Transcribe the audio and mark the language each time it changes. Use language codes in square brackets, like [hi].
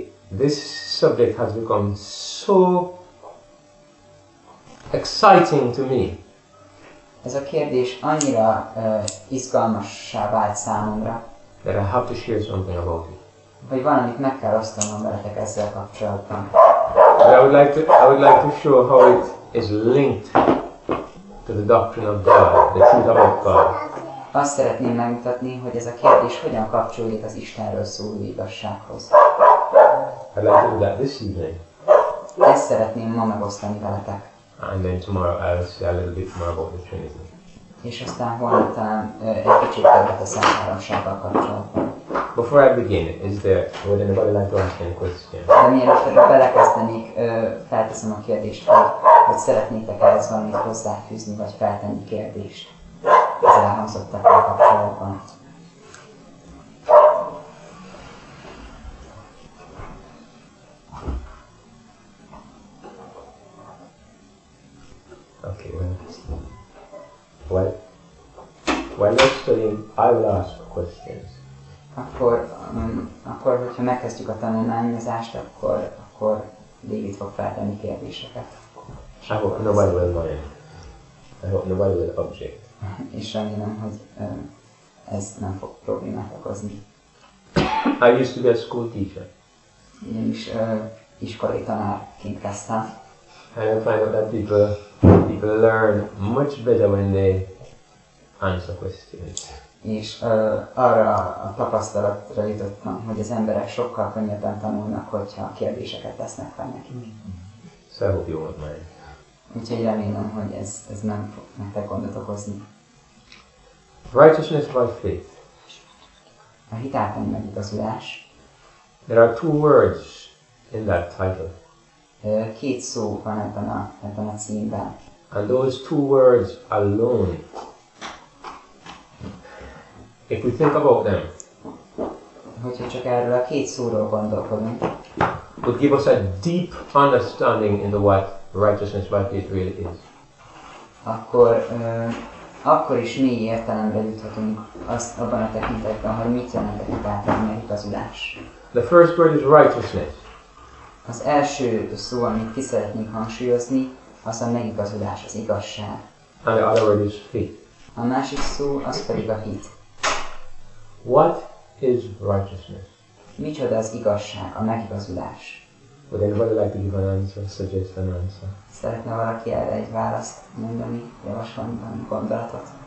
[en] This subject has become so exciting to me. [hu] Ez a kérdés annyira izgalmassá vált számomra. [en] That I have to share something about it. [hu] Hogy valamit meg kell osztanom veletek ezzel kapcsolatban. [en] I would like to show how it is linked to the doctrine of God, the truth about God. [hu] Azt szeretném megmutatni, hogy ez a kérdés hogyan kapcsolódik az Istenről szóló igazsághoz. [en] I'd like to do that this evening. [hu] Ezt szeretném ma megosztani veletek. [en] And then tomorrow I'll say a little bit more about the Trinity. [hu] És aztán holnap talán egy kicsit többet a Szent Háromsággal kapcsolatban. [en] Before I begin, is there, would anybody like to ask any question? [hu] De mielőtt belekezdenék, felteszem a kérdést, hogy szeretnétek ehhez valamit hozzáfűzni, vagy feltenni kérdést az elhangzottakkal kapcsolatban. [en] Okay, well, while studying, I will ask questions. [hu] Akkor, hogyha megkezdjük a tanulmányozást, akkor David fog feltenni kérdéseket. [en] Nobody will mind. I hope nobody will object. [hu] És remélem, hogy ez nem fog problémát okozni. [en] I used to be a school teacher. [hu] Én is iskolai tanárként kezdtem. [en] I find that people learn much better when they answer questions. [hu] És arra a tapasztalatra jutottam, hogy az emberek sokkal könnyebben tanulnak, hogyha kérdéseket tesznek fel nekik. [en] So I hope you won't mind. [hu] Úgyhogy remélem, hogy ez nem fog nektek gondot okozni. [en] Righteousness by faith. [hu] A hit által megigazulás. [en] There are two words in that title. [hu] Két szó van ebben a címben. [en] And those two words alone. If we think about them. [hu] Hogyha csak erről a két szóról gondolkodunk. [en] Would give us a deep understanding into what righteousness by faith really is. [hu] Akkor is mély értelemre juthatunk azt abban a tekintetben, hogy mit jelent a hit által megigazulás. [en] The first word is righteousness. [hu] Az első szó, amit ki szeretnénk hangsúlyozni, az a megigazulás, az igazság. [en] And the other word is faith. [hu] A másik szó, az pedig a hit. [en] What is righteousness? [hu] Micsoda az igazság, a megigazulás? [en] Would anybody like to give an answer, suggest an answer? [hu] Szeretne valaki erre egy választ mondani, javasolni valami gondolatot?